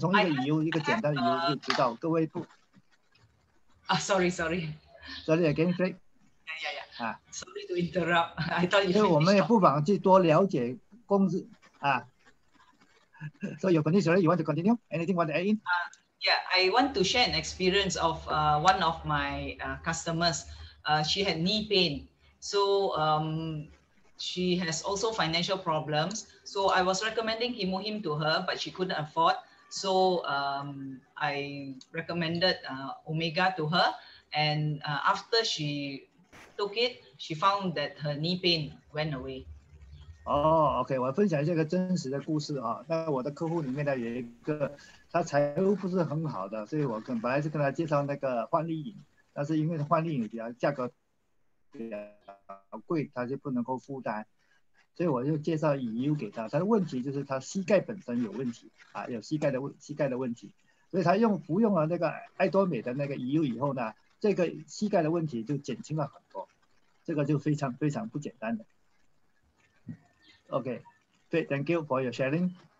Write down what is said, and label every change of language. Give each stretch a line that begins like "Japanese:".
English: Oh, wow！
Chinese: 所以我就非常非常相信爱多美的，真的是给我们的，所以杀中精品的啊，因为公司讲得到，它真的做得到的啊。所以我们从一个鱼油一个简单的鱼油就知道，各位不。
English: Sorry, again, Frank. Sorry to interrupt. I thought you finished. So, you're finished. You want to continue? Anything you want to add in? I want to share an experience of one of my customers. She had knee pain. So, she has also financial problems. So, I was recommending Himohim to her, but she couldn't afford. So, I recommended Omega to her. And after she took it, she found that her knee pain went away. Oh, okay,
Chinese: 我分享一下一个真实的故事啊，在我的客户里面呢，有一个他财务不是很好的，所以我本来是跟他介绍那个幻丽饮，但是因为幻丽饮比较价格比较贵，他就不能够负担。所以我就介绍EU给他，他的问题就是他膝盖本身有问题啊，有膝盖的问题，所以他用服用了那个爱多美的那个EU以后呢，这个膝盖的问题就减轻了很多，这个就非常非常不简单的。OK， 对 ，
English: Thank you for your sharing.